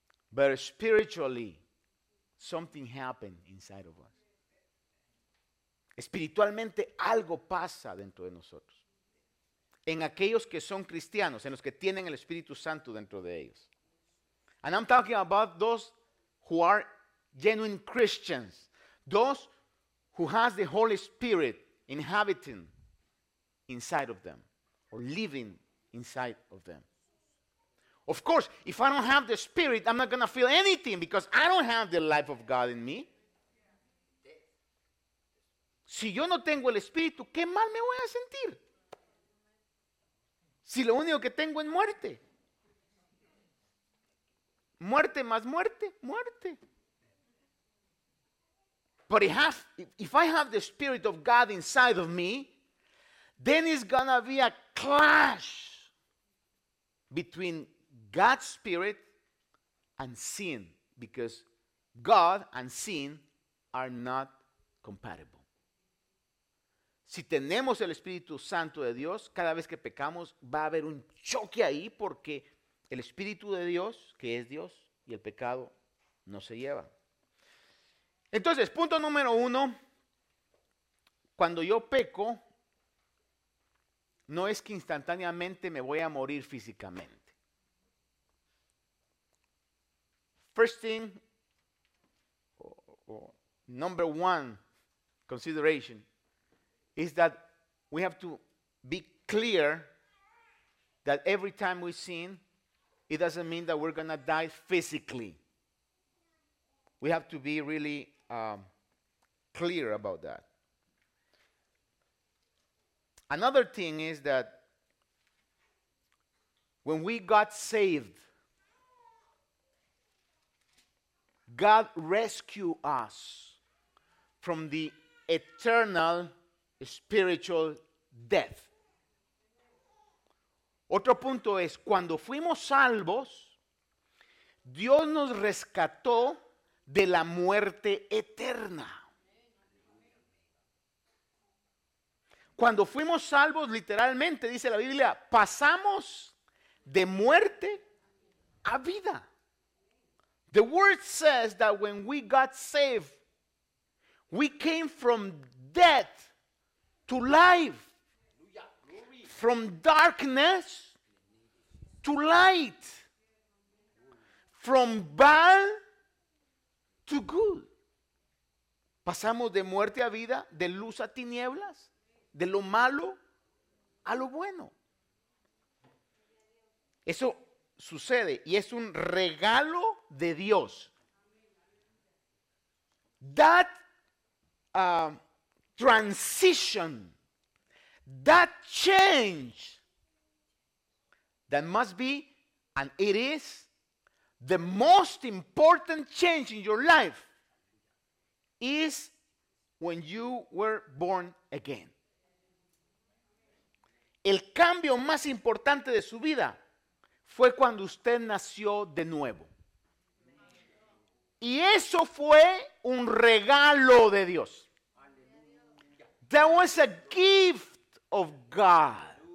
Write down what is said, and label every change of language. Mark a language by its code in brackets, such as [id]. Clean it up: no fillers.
[en] But spiritually, something happened inside of us. [es] Espiritualmente, algo pasa dentro de nosotros. En aquellos que son cristianos, en los que tienen el Espíritu Santo dentro de ellos. [en] And I'm talking about those who are genuine Christians. Those who has the Holy Spirit inhabiting inside of them. Or living inside of them. Of course, if I don't have the Spirit, I'm not going to feel anything because I don't have the life of God in me. [es] Si yo no tengo el Espíritu, ¿qué mal me voy a sentir? Si lo único que tengo es muerte. Muerte más muerte, muerte. [en] But if I have the Spirit of God inside of me, then it's going to be a clash between God's Spirit and sin, because God and sin are not compatible. [es] Si tenemos el Espíritu Santo de Dios, cada vez que pecamos va a haber un choque ahí, porque el Espíritu de Dios, que es Dios, y el pecado no se lleva. Entonces, punto número uno, cuando yo peco, no es que instantáneamente me voy a morir físicamente. [en] First thing, or number one consideration, is that we have to be clear that every time we sin, it doesn't mean that we're going to die physically. We have to be really clear about that. Another thing is that when we got saved, God rescued us from the eternal spiritual death. [es] Otro punto es, cuando fuimos salvos, Dios nos rescató de la muerte eterna. Cuando fuimos salvos, literalmente, dice la Biblia, pasamos de muerte a vida. [en] The word says that when we got saved, we came from death to life. From darkness to light. From bad to good. [es] Pasamos de muerte a vida, de luz a tinieblas, de lo malo a lo bueno. Eso sucede y es un regalo de Dios. [en] That transition, that change, that must be, and it is, the most important change in your life, is when you were born again. [es] El cambio más importante de su vida fue cuando usted nació de nuevo. Y eso fue un regalo de Dios. [en] That was a gift of God.